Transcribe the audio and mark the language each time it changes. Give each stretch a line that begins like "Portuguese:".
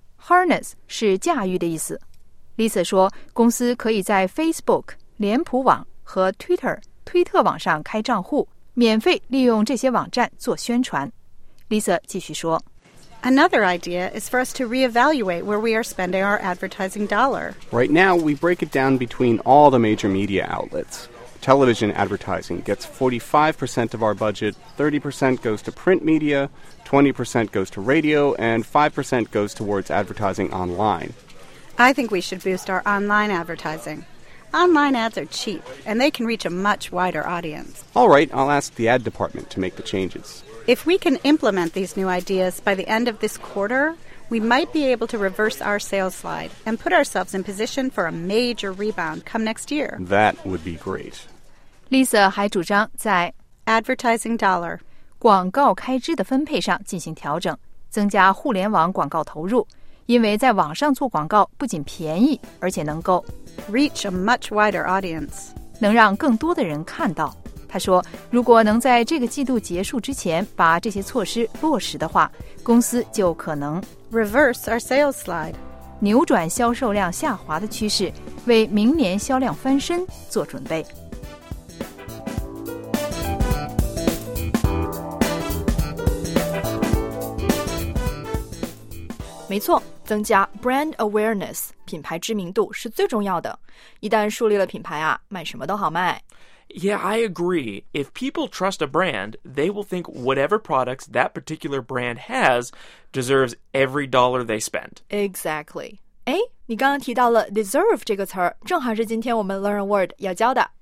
Chinese: Harness 是驾驭的意思。Lisa 说，公司可以在 Facebook、脸谱网和 Twitter、推特网上开账户，免费利用这些网站做宣传。 Lisa 继续说。
English: Another idea is for us to reevaluate where we are spending our advertising dollar. Right now, we break it down between all the major media outlets. Television advertising gets 45% of our budget, 30% goes to print media, 20% goes to radio, and 5% goes towards advertising online. I think we should boost our online advertising. Online ads are cheap, and they can reach a much wider audience. All right, I'll ask the ad department to make the changes. If we can implement these new ideas by the end of this quarter, we might be able to reverse our sales slide and put ourselves in position for a major rebound come next year. That would be great.
Chinese: Lisa 还主张在
English: advertising dollar
Chinese: 广告开支的分配上进行调整，增加互联网广告投入，因为在网上做广告不仅便宜，而且能够
English: reach a much wider audience
Chinese: 能让更多的人看到。他说，如果能在这个季度结束之前把这些措施落实的话，公司就可能
English: reverse our sales slide
Chinese: 扭转销售量下滑的趋势，为明年销量翻身做准备。没错，增加
English: brand awareness
Chinese: 品牌知名度是最重要的，一旦树立了品牌啊，卖什么都好卖。
English: Yeah, I agree. If people trust a brand, they will think whatever products that particular brand has deserves every dollar they spend. Exactly.
Chinese: 哎，你刚刚提到了 deserve 这个词儿，正好是今天我们 Learn a Word 要教的。